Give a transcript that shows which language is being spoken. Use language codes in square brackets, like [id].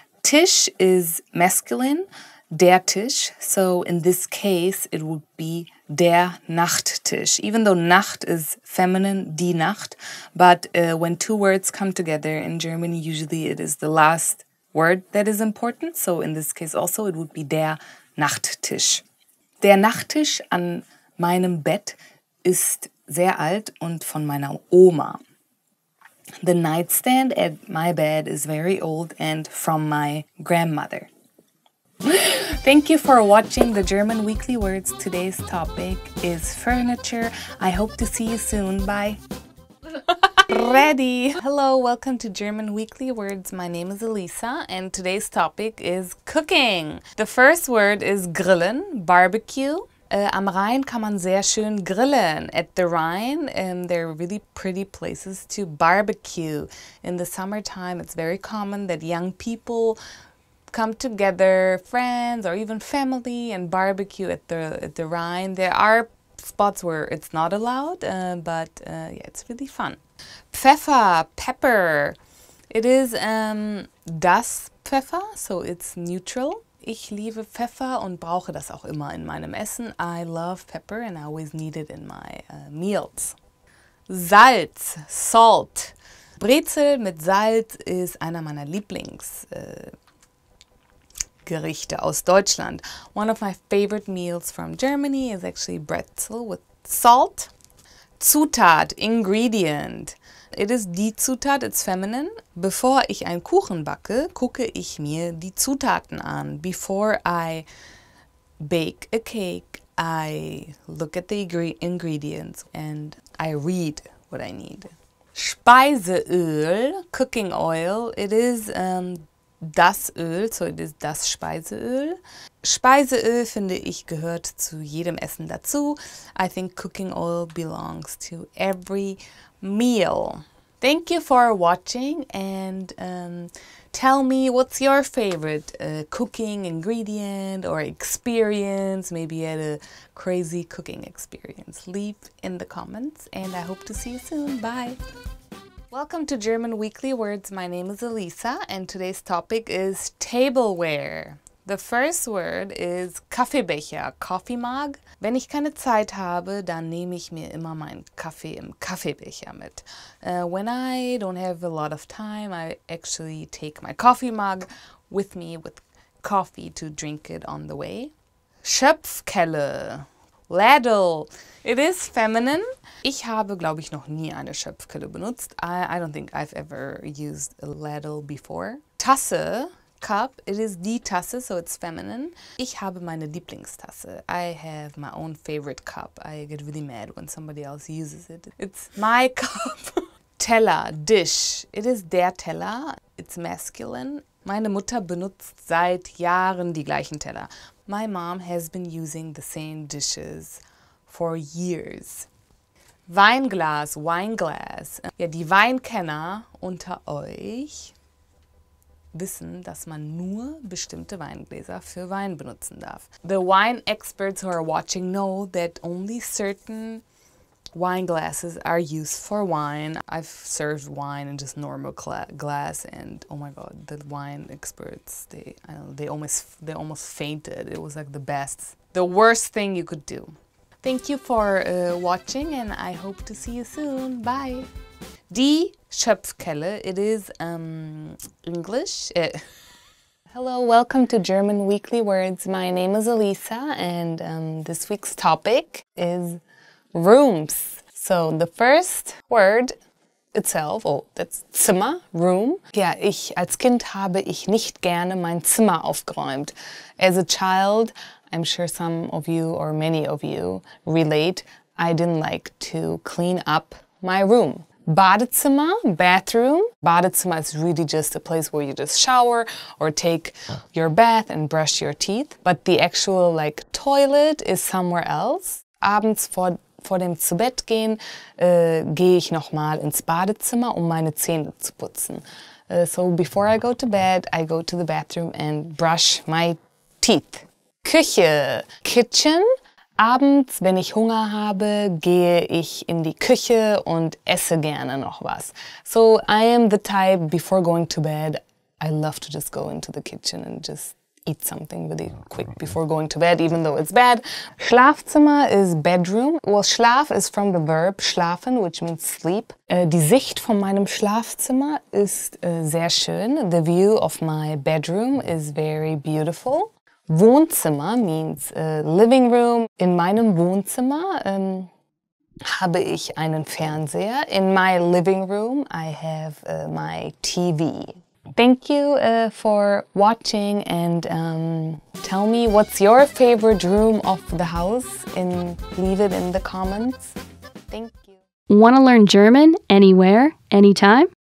[en] Tisch is masculine, der Tisch, so in this case it would be der Nachttisch. Even though Nacht is feminine, die Nacht, but when two words come together in German, usually it is the last word that is important, so in this case also it would be der Nachttisch. [de] Der Nachttisch an meinem Bett ist sehr alt und von meiner Oma. [en] The nightstand at my bed is very old and from my grandmother. Thank you for watching the German Weekly Words. Today's topic is furniture. I hope to see you soon. Bye. Ready. Hello, welcome to German Weekly Words. My name is Elisa, and today's topic is cooking. The first word is grillen, barbecue. [de] Am Rhein kann man sehr schön grillen. [en] At the Rhine, there are really pretty places to barbecue. In the summertime, it's very common that young people come together, friends or even family, and barbecue at the Rhine. There are spots where it's not allowed, but it's really fun. Pfeffer, pepper. It is das Pfeffer, so it's neutral. [de] Ich liebe Pfeffer und brauche das auch immer in meinem Essen. [en] I love pepper and I always need it in my meals. Salz, salt. [de] Brezel mit Salz ist einer meiner Lieblingsgerichte aus Deutschland. [en] One of my favorite meals from Germany is actually Brezel with salt. Zutat, ingredient. It is die Zutat, it's feminine. [de] Bevor ich einen Kuchen backe, gucke ich mir die Zutaten an. [en] Before I bake a cake, I look at the ingredients and I read what I need. Speiseöl, cooking oil. It is das Öl, so it is das Speiseöl. [de] Speiseöl, finde ich, gehört zu jedem Essen dazu. [en] I think cooking oil belongs to every meal. Thank you for watching, and tell me what's your favorite cooking ingredient or experience. Maybe you had a crazy cooking experience. Leave in the comments, and I hope to see you soon. Bye. Welcome to German Weekly Words. My name is Elisa, and today's topic is tableware. The first word is Kaffeebecher, coffee mug. [de] Wenn ich keine Zeit habe, dann nehme ich mir immer meinen Kaffee im Kaffeebecher mit. [en] When I don't have a lot of time, I actually take my coffee mug with me with coffee to drink it on the way. Schöpfkelle, ladle. It is feminine. [de] Ich habe, glaube ich, noch nie eine Schöpfkelle benutzt. [en] I don't think I've ever used a ladle before. [de] Tasse, [en] cup. It is die Tasse, so it's feminine. [de] Ich habe meine Lieblingstasse. [en] I have my own favorite cup. I get really mad when somebody else uses it. It's my cup. Teller, dish. It is der Teller. It's masculine. [de] Meine Mutter benutzt seit Jahren die gleichen Teller. [en] My mom has been using the same dishes for years. Weinglas, wine glass. [de] Ja, die Weinkenner unter euch wissen, dass man nur bestimmte Weingläser für Wein benutzen darf. [en] The wine experts who are watching know that only certain wine glasses are used for wine. I've served wine in just normal glass, and oh my god, the wine experts—they almost fainted. It was like the worst thing you could do. Thank you for watching, and I hope to see you soon. Bye. Die Schöpfkelle. It is English. Hello, welcome to German Weekly Words. My name is Elisa, and this week's topic is rooms. So the first word itself, oh, that's Zimmer, room. [de] Ja, ich als Kind habe ich nicht gerne mein Zimmer aufgeräumt. [en] As a child, I'm sure some of you or many of you relate, I didn't like to clean up my room. Badezimmer, bathroom. Badezimmer is really just a place where you just shower or take your bath and brush your teeth. But the actual like toilet is somewhere else. [de] Abends vor dem Zubettgehen gehe ich nochmal ins Badezimmer, um meine Zähne zu putzen. [en] So before I go to bed, I go to the bathroom and brush my teeth. Küche, kitchen. [de] Abends, wenn ich Hunger habe, gehe ich in die Küche und esse gerne noch was. [en] So I am the type, before going to bed, I love to just go into the kitchen and just eat something really quick before going to bed, even though it's bad. Schlafzimmer is bedroom. Well, Schlaf is from the verb schlafen, which means sleep. [de] Die Sicht von meinem Schlafzimmer ist sehr schön. [en] The view of my bedroom is very beautiful. Wohnzimmer means living room. [de] In meinem Wohnzimmer habe ich einen Fernseher. [en] In my living room, I have my TV. Thank you for watching, and tell me what's your favorite room of the house, and leave it in the comments. Thank you. Want to learn German anywhere, anytime?